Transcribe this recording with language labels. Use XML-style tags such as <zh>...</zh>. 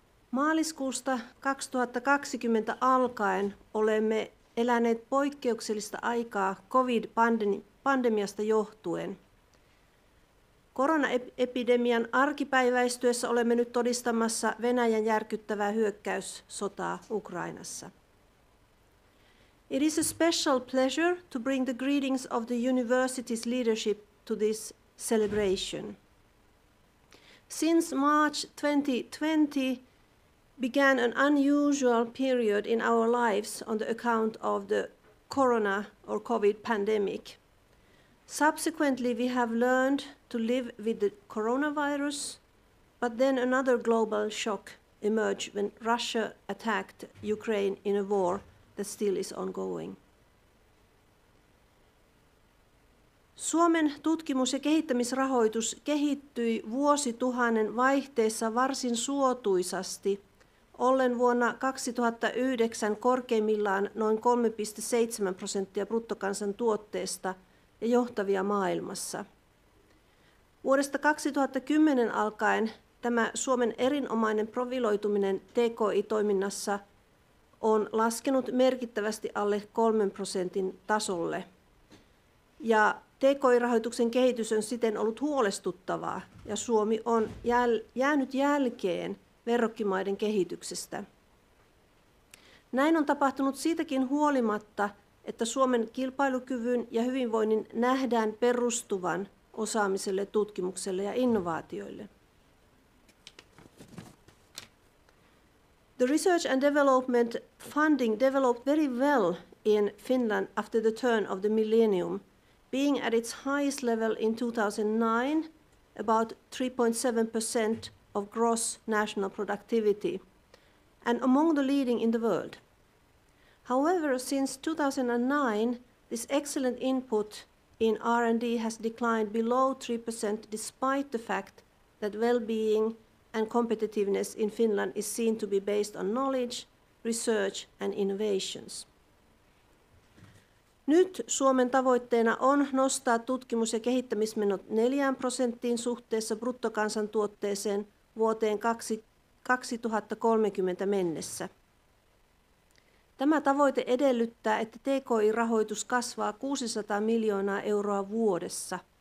<fi>Maaliskuusta 2020 alkaen olemme eläneet poikkeuksellista aikaa COVID-pandemiasta johtuen. Koronaepidemian arkipäiväistyessä olemme nyt todistamassa Venäjän järkyttävää hyökkäyssotaa Ukrainassa.</fi> <en>It is a special pleasure to bring the greetings of the university's leadership to this celebration. Since March 2020 began an unusual period in our lives on the account of the corona or COVID pandemic. Subsequently, we have learned to live with the coronavirus, but then another global shock emerged when Russia attacked Ukraine in a war that still is ongoing.</en> <fi>Suomen tutkimus- ja kehittämisrahoitus kehittyi vuosituhannen vaihteessa varsin suotuisasti, ollen vuonna 2009 korkeimmillaan noin 3,7% bruttokansantuotteesta ja johtavia maailmassa. Vuodesta 2010 alkaen tämä Suomen erinomainen profiloituminen TKI-toiminnassa on laskenut merkittävästi alle 3% tasolle. Ja TKI-rahoituksen kehitys on siten ollut huolestuttavaa, ja Suomi on jäänyt jälkeen verrokkimaiden kehityksestä. Näin on tapahtunut siitäkin huolimatta, että Suomen kilpailukyvyn ja hyvinvoinnin nähdään perustuvan osaamiselle, tutkimukselle ja innovaatioille.</fi> <en>The research and development funding developed very well in Finland after the turn of the millennium, being at its highest level in 2009, about 3.7% of gross national productivity, and among the leading in the world. However, since 2009, this excellent input in R&D has declined below 3% despite the fact that well-being and competitiveness in Finland is seen to be based on knowledge, research and innovations.</en> <fi>Nyt Suomen tavoitteena on nostaa tutkimus- ja kehittämismenot 4% suhteessa bruttokansantuotteeseen vuoteen 2030 mennessä. Tämä tavoite edellyttää, että TKI-rahoitus kasvaa 600 miljoonaa euroa vuodessa.</fi>